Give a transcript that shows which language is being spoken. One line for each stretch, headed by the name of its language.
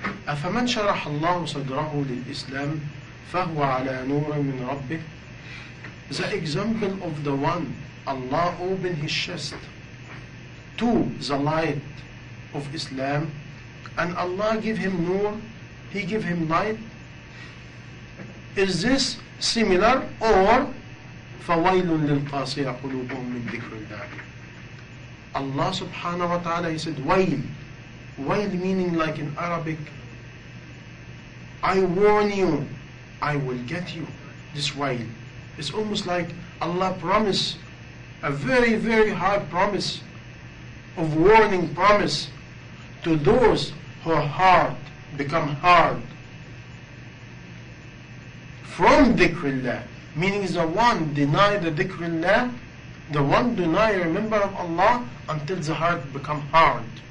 Arabic: أفمن شرح الله صدره للإسلام فهو على نور من ربه؟
English: The example of the one Allah opened his chest to the light of Islam and Allah give him nur, he give him light. Is this similar or
Arabic: فَوَيْلٌ لِلْقَاسِيَ قُلُوبُهُمْ مِنْ ذِكْرِ اللَّهِ.
English: Allah subhanahu wa ta'ala, he said wail. Wail meaning like in Arabic, I warn you, I will get you. This wail, it's almost like Allah promise, a very very hard promise of warning, promise to those whose heart become hard from dhikrillah, meaning the one deny the dhikrillah, the one deny remember of Allah until the heart become hard.